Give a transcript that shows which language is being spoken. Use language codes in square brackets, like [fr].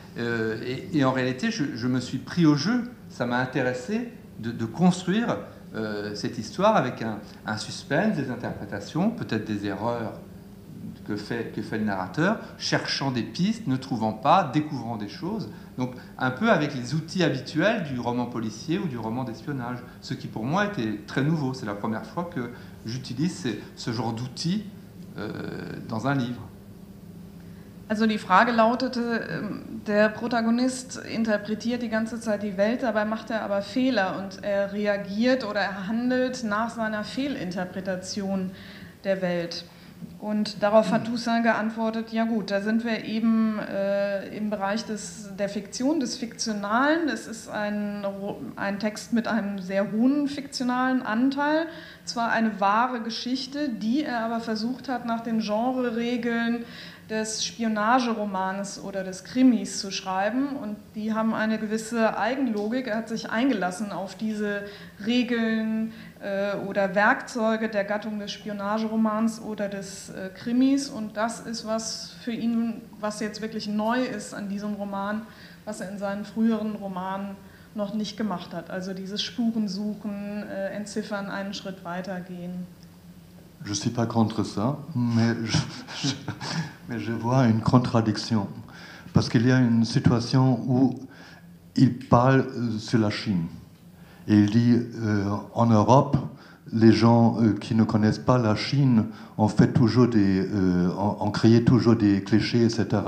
[fr] Et en réalité, je me suis pris au jeu. Ça m'a intéressé de construire cette histoire avec un suspense, des interprétations, peut-être des erreurs que fait le narrateur, cherchant des pistes, ne trouvant pas, découvrant des choses. Donc un peu avec les outils habituels du roman policier ou du roman d'espionnage, ce qui pour moi était très nouveau. C'est la première fois que j'utilise ce genre d'outils dans un livre. [de] Also die Frage lautete, der Protagonist interpretiert die ganze Zeit die Welt, dabei macht er aber Fehler und er reagiert oder er handelt nach seiner Fehlinterpretation der Welt. Und darauf hat Toussaint geantwortet, ja gut, da sind wir eben im Bereich der Fiktion, des Fiktionalen. Es ist ein Text mit einem sehr hohen fiktionalen Anteil, zwar eine wahre Geschichte, die er aber versucht hat, nach den Genre-Regeln des Spionageromans oder des Krimis zu schreiben. Und die haben eine gewisse Eigenlogik. Er hat sich eingelassen auf diese Regeln oder Werkzeuge der Gattung des Spionageromans oder des Krimis. Und das ist was für ihn, was jetzt wirklich neu ist an diesem Roman, was er in seinen früheren Romanen noch nicht gemacht hat. Also dieses Spurensuchen, entziffern, einen Schritt weitergehen. [fr] Je suis pas contre ça, mais je vois une contradiction. Parce qu'il y a une situation où il parle sur la Chine. Et il dit, en Europe, les gens qui ne connaissent pas la Chine ont fait toujours ont créé toujours des clichés, etc.